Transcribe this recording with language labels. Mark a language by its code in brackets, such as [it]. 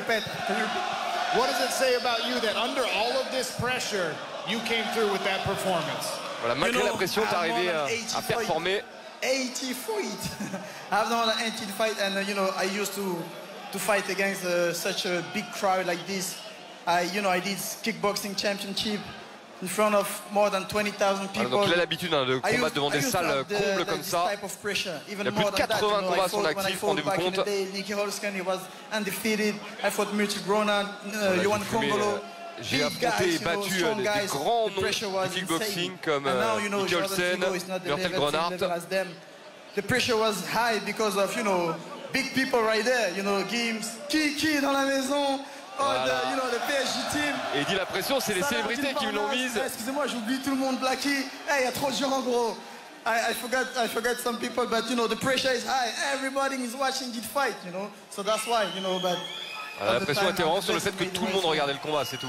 [en] What does it say about you that under all of this pressure you came through with that performance? [fr] Voilà, malgré la pression, t'es arrivé à performer. [en] 80 fight. I've done an 80 fight and you know I used to fight against such a big crowd like this. I did kickboxing championship in front of more than 20,000 people. [fr] Alors, donc, il a l'habitude de combattre devant des salles combles comme ça. Il y a plus de 80 combats sur l'actif, rendez-vous compte. [en] Nicky Holsken, he was undefeated. I fought Mirti Brona, Johan Kongolo. [fr] J'ai affronté et battu des grands noms du kickboxing comme Nicky Holsken, Mirti Brona. [en] The pressure was high because of, you know, big people right there, you know, Gims, [fr] Kiki dans la maison. [en] Voilà. Oh, the PSG team. [fr] Et il dit la pression, c'est les célébrités qui l'ont mise. Excusez-moi, j'oublie tout le monde, Blackie. Hey, il y a trop de gens, gros. [en] I forgot some people, but you know, the pressure is high. Everybody is watching this fight, you know. So that's why, you know, but. [fr] Voilà, la pression était vraiment sur le fait que tout le monde regardait le combat, c'est tout.